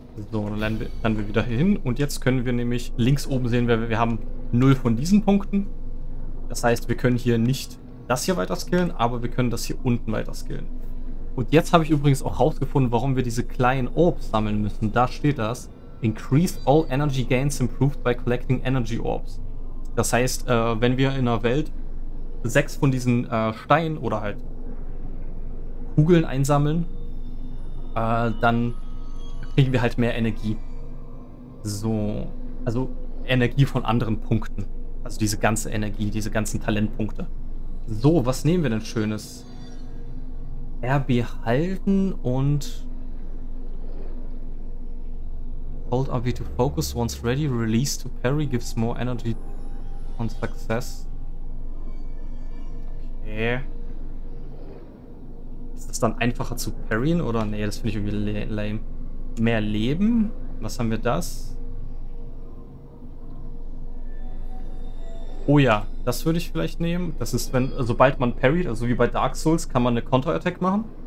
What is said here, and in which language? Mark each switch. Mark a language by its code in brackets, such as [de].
[de] So, dann landen wir wieder hier hin. Und jetzt können wir nämlich links oben sehen, wir haben 0 von diesen Punkten. Das heißt, wir können hier nicht das hier weiter skillen, aber wir können das hier unten weiter skillen. Und jetzt habe ich übrigens auch herausgefunden, warum wir diese kleinen Orbs sammeln müssen. Da steht das. [en] Increase all energy gains improved by collecting energy orbs. [de] Das heißt, wenn wir in der Welt 6 von diesen Steinen oder halt Kugeln einsammeln, dann kriegen wir halt mehr Energie. So, also Energie von anderen Punkten. Also diese ganze Energie, diese ganzen Talentpunkte. So, was nehmen wir denn Schönes? RB halten und... [en] Hold RB to focus, once ready, release to parry, gives more energy on success. [de] Okay. Ist das dann einfacher zu parryen oder? Nee, das finde ich irgendwie lame. Mehr Leben? Was haben wir das? Oh ja, das würde ich vielleicht nehmen. Das ist, wenn, sobald man parryt, also wie bei Dark Souls, kann man eine Counter-Attack machen.